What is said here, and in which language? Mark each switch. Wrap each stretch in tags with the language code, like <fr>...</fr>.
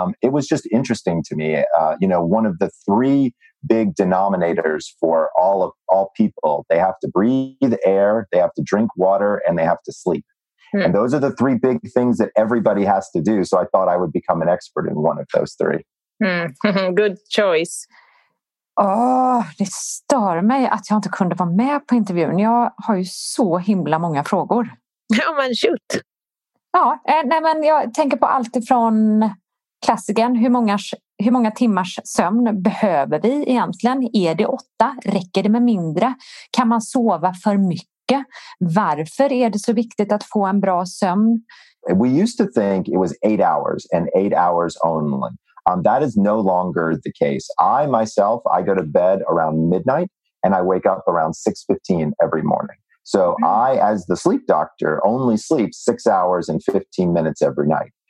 <en>It was just interesting to me. You know, one of the three big denominators for all people, they have to breathe air, they have to drink water, and they have to sleep. Hmm. And those are the three big things that everybody has to do. So I thought I would become an expert in one of those three. Mm. Good choice.</en> <sv>Åh, det stör mig att jag inte kunde vara med på intervjun. Jag har ju så himla många frågor. Ja, men shoot. Ja, nej, men jag tänker på allt ifrån klassiken. Hur många timmars sömn behöver vi egentligen? Är det 8? Räcker det med mindre? Kan man sova för mycket? Varför är det så viktigt att få en bra sömn?</sv> <en>We used to think it was 8 hours and 8 hours only. That is no longer the case. I myself, I go to bed around midnight and I wake up around 6:15 every morning. So I, as the sleep doctor, only sleep 6 hours and 15 minutes every night.</en>